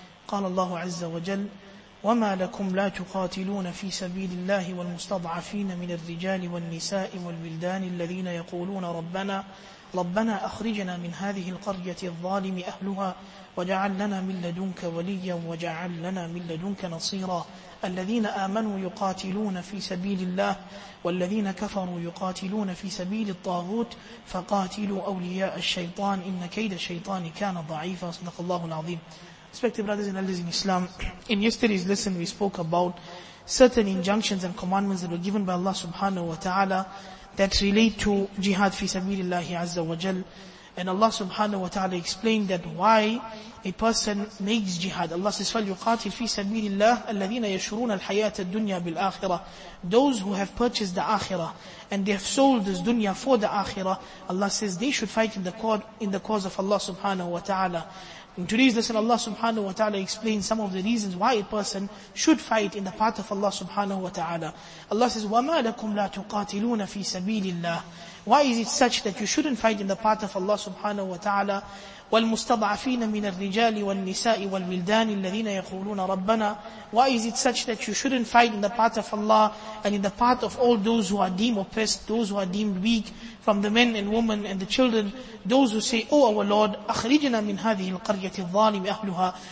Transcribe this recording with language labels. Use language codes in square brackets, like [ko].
[ar] قال الله عز وجل: وما لكم لا تقاتلون في سبيل الله والمستضعفين من الرجال والنساء والبلدان الذين يقولون ربنا أخرجنا من هذه القرية الظالم أهلها وجعل لنا من لدنك وليا وجعل لنا من لدنك نصيرا. الذين آمنوا يقاتلون في سبيل الله والذين كفروا يقاتلون في سبيل الطاغوت فقاتلوا أولياء الشيطان إن كيد الشيطان كان ضعيفا. صدق الله العظيم. [en] Respected brothers and elders in Islam, in yesterday's lesson we spoke about certain injunctions and commandments that were given by Allah subhanahu wa ta'ala that relate to jihad fi sabilillahi azza wa jal. And Allah subhanahu wa ta'ala explained that why a person makes jihad. Allah says, [ar] فَلْيُقَاتِلْ فِي سَبِيلِ اللَّهِ الَّذِينَ يَشْرُونَ الْحَيَاةَ الدُّنْيَا بِالْآخِرَةِ. [en] Those who have purchased the akhirah and they have sold this dunya for the akhirah, Allah says they should fight in the cause of Allah subhanahu wa ta'ala. In today's lesson, Allah subhanahu wa ta'ala explains some of the reasons why a person should fight in the path of Allah subhanahu wa ta'ala. Allah says, [ar] وَمَا لَكُمْ لَا تُقَاتِلُونَ فِي سَبِيلِ اللَّهِ. [en] Why is it such that you shouldn't fight in the path of Allah subhanahu wa ta'ala? [ar] وَالْمُسْتَضْعَفِينَ مِنَ الرِّجَالِ وَالنِّسَاءِ وَالْوِلْدَانِ الَّذِينَ يَقُولُونَ رَبَّنَا. [en] Why is it such that you shouldn't fight in the path of Allah and in the path of all those who are deemed oppressed, those who are deemed weak, from the men and women and the children, those who say, oh our Lord, [ar] أَخْرِجْنَا مِنْ هَذِهِ الْقَرْيَةِ الظَّالِمِ أَهْلُهَا.